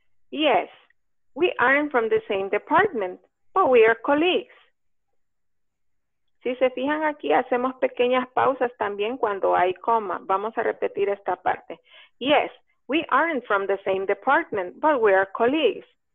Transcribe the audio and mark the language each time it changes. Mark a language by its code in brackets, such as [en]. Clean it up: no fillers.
[en] Yes, we aren't from the same department, but we are colleagues. [es] Si se fijan aquí, hacemos pequeñas pausas también cuando hay coma. Vamos a repetir esta parte. [en] Yes, we aren't from the same department, but we are colleagues.